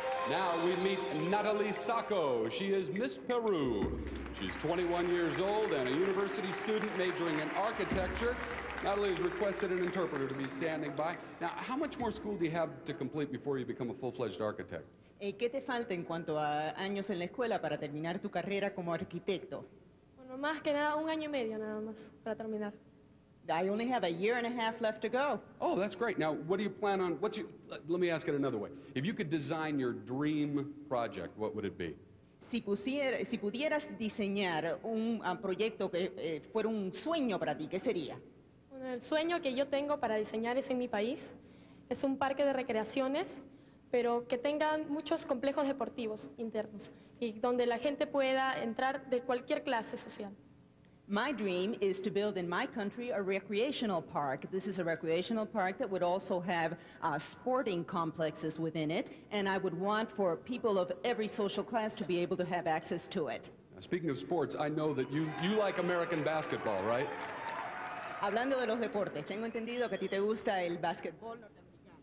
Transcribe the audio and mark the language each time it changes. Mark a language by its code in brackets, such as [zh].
[en] Now we meet Natalie Sacco. She is Miss Peru. She's 21 years old and a university student majoring in architecture. Natalie has requested an interpreter to be standing by. Now, how much more school do you have to complete before you become a full-fledged architect? [es] ¿Qué te falta en cuanto a años en la escuela para terminar tu carrera como arquitecto? Bueno, más que nada, un año y medio nada más para terminar. [en] I only have a year and a half left to go. Oh, that's great. Now, what do you plan on, let me ask it another way. If you could design your dream project, what would it be? [es] Si pudieras diseñar un proyecto que fuera un sueño para ti, ¿qué sería? Bueno, el sueño que yo tengo para diseñar es en mi país. Es un parque de recreaciones, pero que tengan muchos complejos deportivos internos y donde la gente pueda entrar de cualquier clase social. [en] My dream is to build in my country a recreational park. This is a recreational park that would also have sporting complexes within it, and I would want for people of every social class to be able to have access to it. Now, speaking of sports, I know that you like American basketball, right? [es] Hablando de los deportes, tengo entendido que a ti te gusta el basketball norteamericano.